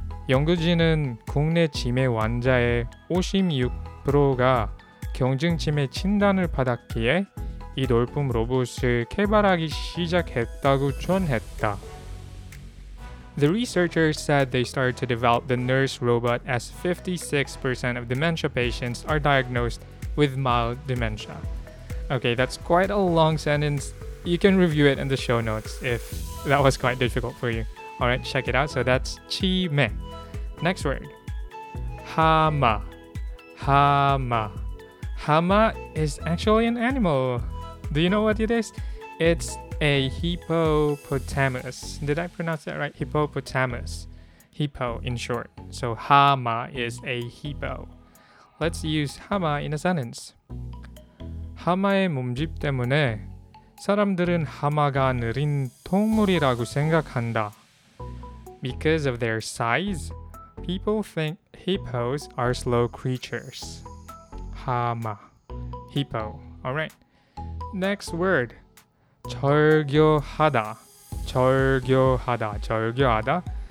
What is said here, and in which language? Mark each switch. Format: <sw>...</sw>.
<ko>연구진은 국내 치매 환자의 56%가 경증치매 진단을 받았기에 이 돌봄 로봇을 개발하기 시작했다고 전했다.</ko> <en>The researchers said they started to develop the nurse robot as 56% of dementia patients are diagnosed with mild dementia. Okay, that's quite a long sentence. You can review it in the show notes if that was quite difficult for you. Alright, check it out. So that's 치매. Next word,</en> <ko>하마, 하마.</ko> <en>하마 is actually an animal. Do you know what it is? It's a hippopotamus. Did I pronounce that right? Hippopotamus. Hippo in short. So 하마 is a hippo. Let's use 하마 in a sentence.</en> <ko>하마의 몸집 때문에 사람들은 하마가 느린 동물이라고 생각한다.</ko> <en>Because of their size, people think hippos are slow creatures.</en> <ko>하마.</ko> <en>Hippo. Alright. Next word.</en> <ko>절교하다. 절교하다. 절교하다</ko>